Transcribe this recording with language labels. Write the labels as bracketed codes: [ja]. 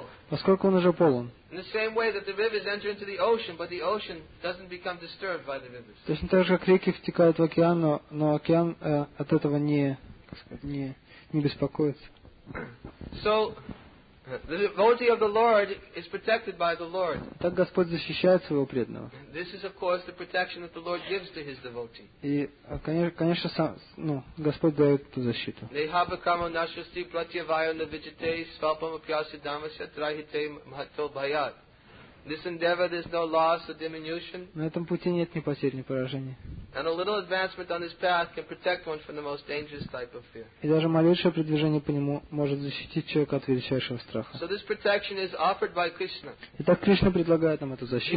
[ru] Поскольку он уже полон. Точно так же, как реки втекают в океан, но океан от этого не беспокоится. [en] The devotee of the Lord is protected by the Lord. [ru] Так Господь защищает своего преданного. [en] This is, of course, the protection that the Lord gives to His devotee. [ru] И, конечно, сам, ну, Господь дает эту защиту. [sa] Нехабакамо нашусти платьявайо навичите свалпам апьяси дамася трахите мхатто бхаят. [en] This endeavor, there's no loss or diminution. [ru] На этом пути нет ни потерь, ни поражения. [en] And a little advancement on this path can protect one from the most dangerous type of fear. [ru] И даже малейшее продвижение по нему может защитить человека от величайшего страха. [en] So this protection is offered by Krishna. [ru] Итак, Кришна предлагает нам эту защиту.